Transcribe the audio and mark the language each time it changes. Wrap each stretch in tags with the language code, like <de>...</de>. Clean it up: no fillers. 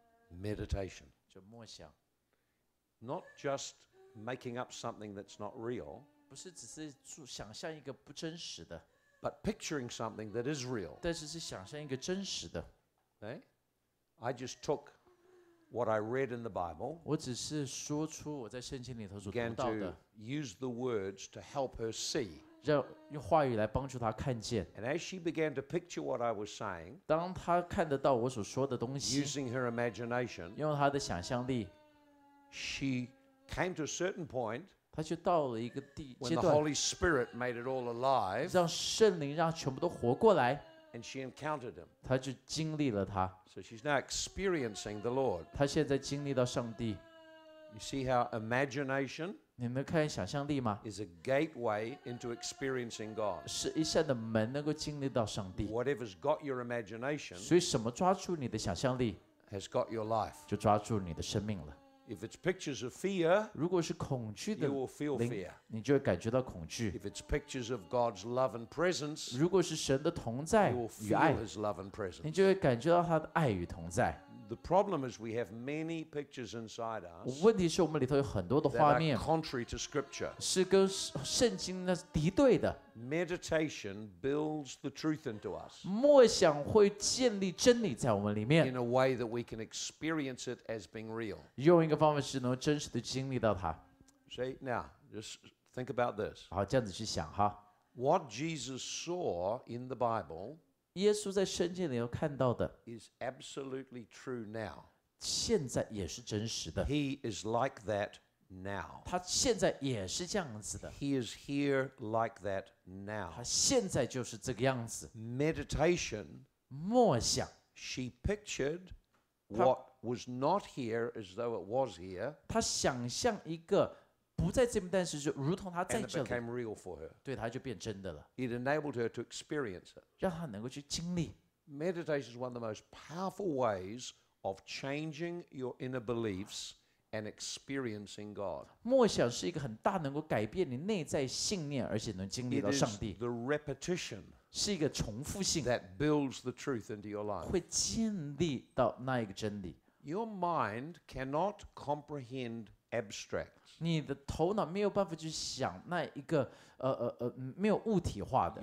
<en>Meditation.</en> <zh>就默想。</zh> <en>Not just making up something that's not real.</en> <zh>不是只是想象一个不真实的。</zh> <en>But picturing something that is real.</en> <zh>但是是想象一个真实的。</zh> <en>Okay? I just took what I read in the Bible.</en> <zh>我只是说出我在圣经里头所读到的。</zh> <en>Began to use the words to help her see.</en> <zh>用话语来帮助他看见。</zh> <en>And as she began to picture what I was saying,</en> <zh>当他看得到我所说的东西，</zh> <en>using her imagination,</en> <zh>用他的想象力，</zh> <en>she came to a certain point,</en> <zh>他就到了一个地阶段，</zh> <en>when the Holy Spirit made it all alive,</en> <zh>让圣灵让全部都活过来。</zh> <en>And she encountered him.</en> <zh>她就经历了他。</zh> <en>So she's now experiencing the Lord.</en> <zh>她现在经历到上帝。</zh> <en>You see how imagination?</en> <zh>你能看想象力吗？</zh> <en>Is a gateway into experiencing God.</en> <zh>是一扇的门，能够经历到上帝。</zh> <en>Whatever's got your imagination?</en> <zh>所以什么抓住你的想象力？</zh> <en>Has got your life.</en> <zh>就抓住你的生命了。</zh> <en>If it's pictures of fear,</en> <zh>如果是恐惧的灵，</zh> <en>you will feel fear.</en> <zh>你就会感觉到恐惧。</zh> <en>If it's pictures of God's love and presence,</en> <zh>如果是神的同在与爱，</zh> <en>you will feel His love and presence.</en> <zh>你就会感觉到他的爱与同在。</zh> <en>The problem is we have many pictures inside us.</en> <zh>问题是我们里头有很多的画面。</zh> <en>That are contrary to Scripture.</en> <zh>是跟圣经那敌对的。</zh> <en>Meditation builds the truth into us.</en> <zh>默想会建立真理在我们里面。</zh> <en>In a way that we can experience it as being real.</en> <zh>用一个方法是能真实的经历到它。</zh> <en>See, now, just think about this.</en> <zh>好，这样子去想哈。</zh> <en>What Jesus saw in the Bible.</en> <zh>耶稣在圣经里头看到的</zh> <en>is absolutely true now.</en> <zh>现在也是真实的。</zh> <en>He is like that now.</en> <zh>他现在也是这样子的。</zh> <en>He is here like that now.</en> <zh>他现在就是这个样子。</zh> <en>Meditation.</en> <zh>默想。</zh> <en>She pictured what was not here as though it was here.</en> <zh>他想象一个不在这边，但是就如同他在这里。</zh> <en>And it became real for her.</en> <zh>对，他就变真的了。</zh> <en>It enabled her to experience it.</en> <zh>让他能够去经历。</zh> <en>Meditation is one of the most powerful ways of changing your inner beliefs and experiencing God.</en> <zh>默想是一个很大能够改变你内在信念，而且能经历到上帝。</zh> <en>It is the repetition.</en> <zh>是一个重复性。</zh> <en>That builds the truth into your life.</en> <zh>会建立到那一个真理。</zh> <en>Your mind cannot comprehend abstract.</en> <zh>你的头脑没有办法去想那一个没有物体化的。</zh>